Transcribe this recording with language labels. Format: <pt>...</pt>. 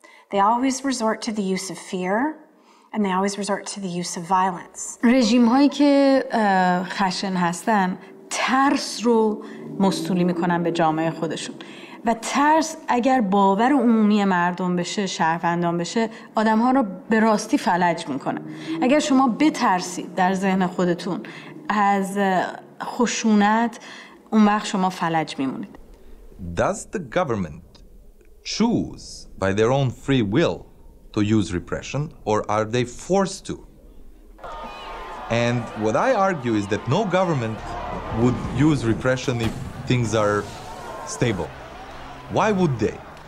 <en>They always resort to the use of fear, and they always resort to the use of violence.</en> <fa>رژیم‌هایی که خشن هستن ترس رو مستولی میکنن به جامعه خودشون. و ترس اگر باور عمومی مردم بشه، شهروندان بشه، آدم‌ها رو به راستی فلج میکنه. اگر شما بترسید در ذهن خودتون از خشونت، اون وقت شما فلج میمونید.</fa> <en>Does the government choose by their own free will to use repression, or are they forced to? And what I argue is that no government would use repression if things are stable. Why would they?</en>